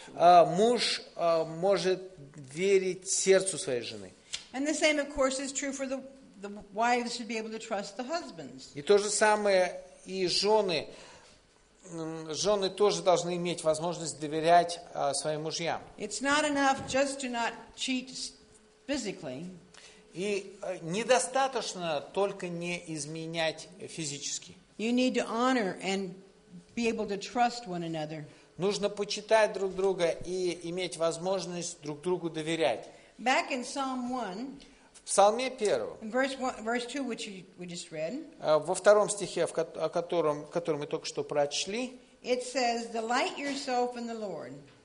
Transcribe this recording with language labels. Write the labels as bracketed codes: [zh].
[ru] Муж может верить сердцу своей жены. [en] And the same, of course, is true for the wives should be able to trust the husbands. [ru] И то же самое и жены тоже должны иметь возможность доверять своим мужьям. [en] It's not enough just to not cheat physically. [ru] И недостаточно только не изменять физически. [en] You need to honor and be able to trust one another. [ru] Нужно почитать друг друга и иметь возможность друг другу доверять. [en] Back in Psalm 1. [ru] В Псалме 1. [en] Verse 2, which we just read. [ru] Во втором стихе, который мы только что прочли. [en] It says, delight yourself in the Lord.